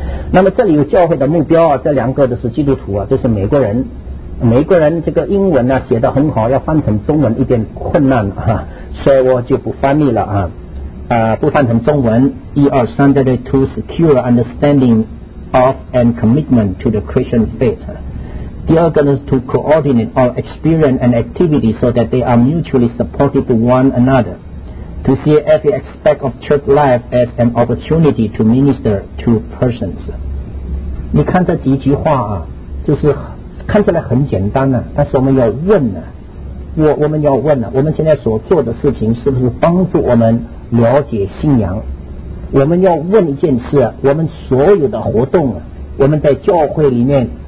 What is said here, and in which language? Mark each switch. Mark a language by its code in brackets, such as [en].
[zh] 那么这里有教会的目标啊，这两个都是基督徒啊，这是美国人，美国人这个英文呢、啊、写得很好，要翻成中文一点困难啊，所以我就不翻译了啊，不翻成中文，一二三，在这 [en] to secure understanding of and commitment to the Christian faith。 [zh] 第二个呢 [en] ，to coordinate all experience and activity so that they are mutually supportive to one another. To see every aspect of church life as an opportunity to minister to persons. [zh] 你看这几句话啊，就是看起来很简单呢、啊，但是我们要问呢、啊，我们要问呢、啊，我们现在所做的事情是不是帮助我们了解信仰？我们要问一件事，我们所有的活动，我们在教会里面。